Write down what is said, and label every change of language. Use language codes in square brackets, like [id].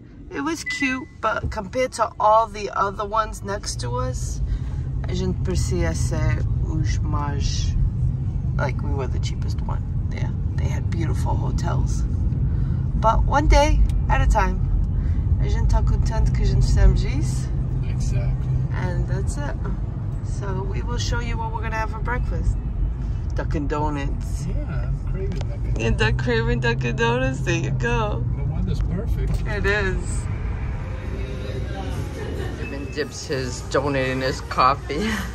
[en] It was cute, but compared to all the other ones next to us, [pt] a gente precisa ser os mais. [en] Like, we were the cheapest one. Yeah, they had beautiful hotels. But one day at a time. [pt] A gente tá contente que a gente temos isso. [en] Exactly. And that's it. So we will show you what we're gonna have for breakfast. Dunkin' Donuts. Yeah, I'm craving Dunkin' Donuts. You're craving Dunkin' Donuts? There you go. The one that's perfect. It is. Even dips his donut in his coffee.